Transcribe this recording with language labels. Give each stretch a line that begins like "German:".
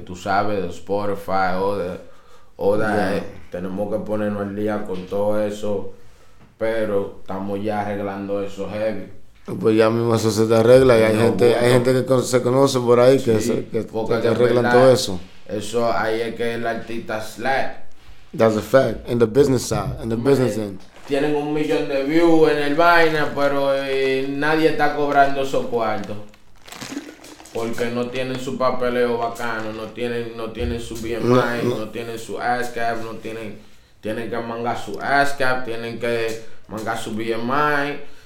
Spanish: Yeah. Tú sabes, de Spotify, o de tenemos que ponernos al día con todo eso, pero estamos ya arreglando eso heavy. Pues ya mismo eso se te arregla, y hay gente que se conoce por ahí que arreglan todo eso. Eso ahí es que el artista slack.
English: That's a fact, in the business side, in the business end.
Spanish: Tienen 1,000,000 de views en el vaina, pero nadie está cobrando esos cuartos. Porque no tienen su papeleo bacano, no tienen su BMI, no tienen su ASCAP, tienen que mangar su ASCAP, tienen que mangar su BMI.